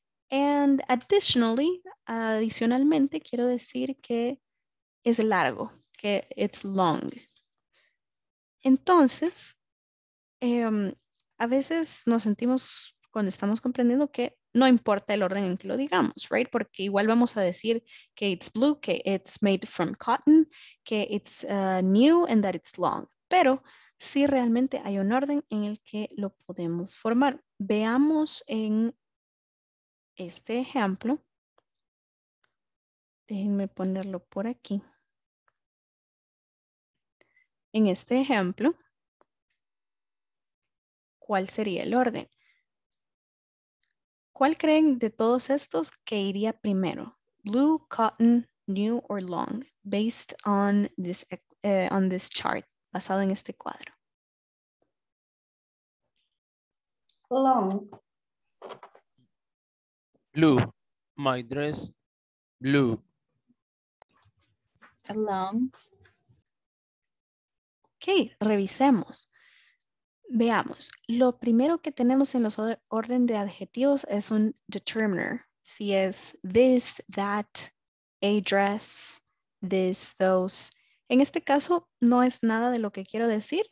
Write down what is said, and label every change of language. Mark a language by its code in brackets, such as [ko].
[en] And additionally, [es] adicionalmente, quiero decir que es largo, que [en] it's long. [es] Entonces, a veces nos sentimos cuando estamos comprendiendo que no importa el orden en que lo digamos, right? Porque igual vamos a decir que [en] it's blue, [es] que [en] it's made from cotton, [es] que [en] it's new and that it's long. [es] Pero sí realmente hay un orden en el que lo podemos formar. Veamos en este ejemplo. Déjenme ponerlo por aquí. En este ejemplo, ¿cuál sería el orden? ¿Cuál creen de todos estos que iría primero? [en] Blue, cotton, new or long, based on this chart, [es] basado en este cuadro. [en] Long. Blue. My dress, blue. Along. [es] Ok, revisemos. Veamos. Lo primero que tenemos en los orden de adjetivos es un determiner. Si es this, that, a dress, this, those. En este caso, no es nada de lo que quiero decir.